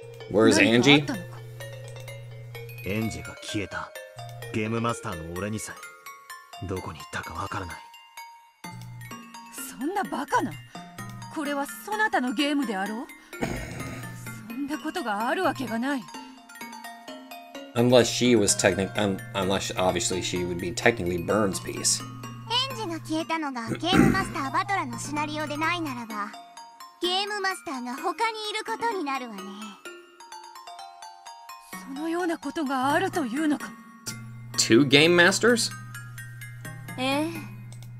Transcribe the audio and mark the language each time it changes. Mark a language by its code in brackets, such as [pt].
[en] Where's Angie? [ja] エンジが消えた。ゲームマスターの俺にさえどこに行ったかわからない。そんなバカな。これはそなたのゲームであろう? そんなことがあるわけがない。 [en] Unless she was unless obviously she would be technically Burn's piece. [ja] エンジが消えたのがゲームマスターバトラのシナリオでないならば ゲームマスターが他にいることになるわね。そのようなことがあるというのか? [en] Two game masters? [ja] ええ。